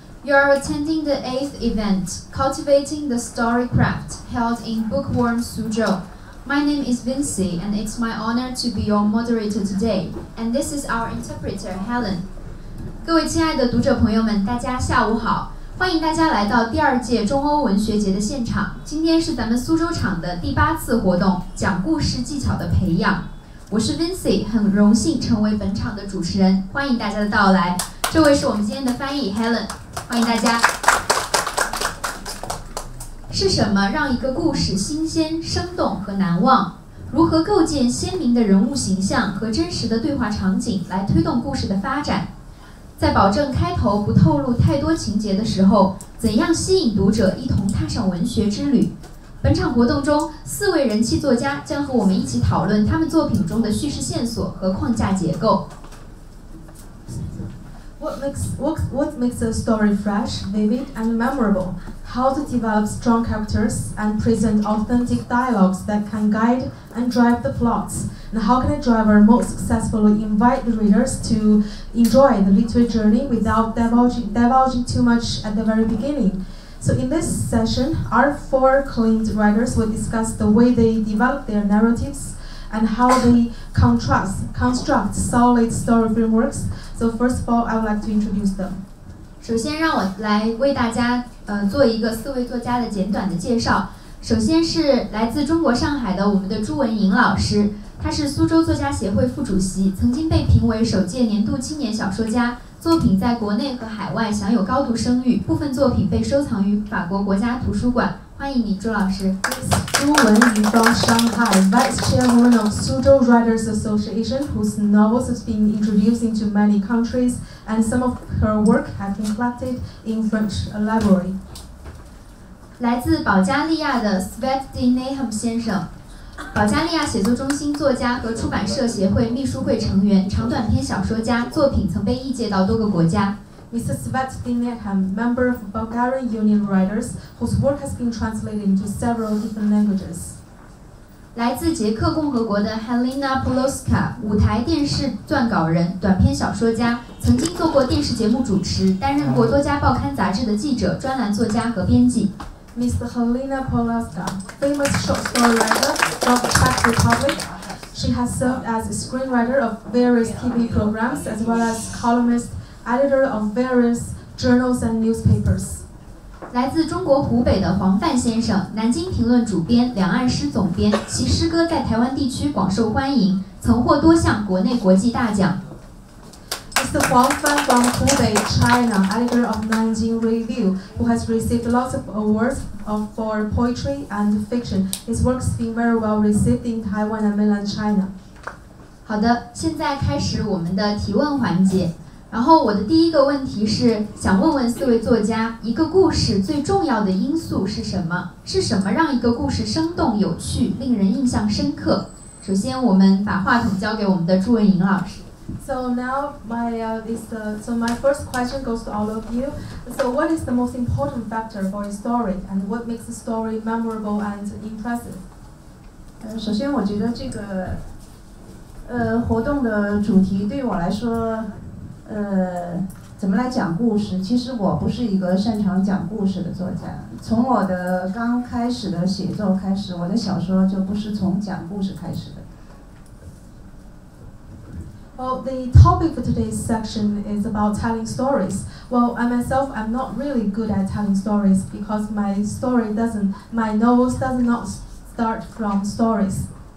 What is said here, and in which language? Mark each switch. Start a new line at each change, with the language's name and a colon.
English: You are attending the 8th event, Cultivating the Storycraft, held in Bookworm Suzhou. My name is Vinci, and it's my honor to be your moderator today. And this is our interpreter, Helen.
Chinese: 各位亲爱的读者朋友们，大家下午好，欢迎大家来到第二届中欧文学节的现场。今天是咱们苏州场的第八次活动，讲故事技巧的培养。我是 Vinci， 很荣幸成为本场的主持人，欢迎大家的到来。这位是我们今天的翻译 Helen， 欢迎大家。是什么让一个故事新鲜、生动和难忘？如何构建鲜明的人物形象和真实的对话场景来推动故事的发展？在保证开头不透露太多情节的时候，怎样吸引读者一同踏上文学之旅？本场活动中，四位人气作家将和我们一起讨论他们作品中的叙事线索和框架结构。
English: What makes a story fresh, vivid, and memorable? How to develop strong characters and present authentic dialogues that can guide and drive the plots? And how can a driver most successfully invite the readers to enjoy the literary journey without divulging too much at the very beginning? So in this session, our four acclaimed writers will discuss the way they develop their narratives and how they construct solid story frameworks. So first of all, I would like to introduce them.
Chinese: 首先让我来为大家做一个四位作家的简短的介绍。首先是来自中国上海的我们的朱文莹老师，他是苏州作家协会副主席，曾经被评为首届年度青年小说家，作品在国内和海外享有高度声誉，部分作品被收藏于法国国家图书馆。欢迎你，朱老师。
English: Zhu Wenying from Shanghai, Vice Chairwoman of Suzhou Writers Association, whose novels have been introduced into many countries, and some of her work have been collected in French library.
Chinese: 来自保加利亚的 Svet Di Nahum 先生，保加利亚写作中心作家和出版社协会秘书会成员，长短篇小说家，作品曾被译介到多个国家。
English: Mr. Svet Di Nahum, member of Bulgarian Union Writers, whose work has been translated into several different languages.
Chinese: 来自捷克共和国的 Halina Pawlowská, 舞台电视撰稿人，短篇小说家，曾经做过电视节目主持，担任过多家报刊杂志的记者、专栏作家和编辑。
English: Mr. Halina Pawlowská, famous short story writer from the Czech Republic. She has served as a screenwriter of various TV programs, as well as columnist, editor of various journals and newspapers.
Chinese: 来自中国湖北的黄范先生，南京评论主编，两岸诗总编，其诗歌在台湾地区广受欢迎，曾获多项国内国际大奖。
English: Mr. Huang Fan from Hubei, China, editor of Nanjing Review, who has received lots of awards for poetry and fiction. His work has been very well received in Taiwan and mainland China.
Chinese: 好的，现在开始我们的提问环节。然后我的第一个问题是，想问问四位作家，一个故事最重要的因素是什么？是什么让一个故事生动、有趣、令人印象深刻？首先，我们把话筒交给我们的朱文莹老师。
English: So now my first question goes to all of you. So what is the most important factor for a story, and what makes the story memorable and impressive?
Chinese: 首先我觉得这个活动的主题对我来说，怎么来讲故事？其实我不是一个擅长讲故事的作家。从我的刚开始的写作开始，我的小说就不是从讲故事开始的。
English: Well, the topic for today's section is about telling stories. Well, I myself, I'm not really good at telling stories because my novels does not start from stories.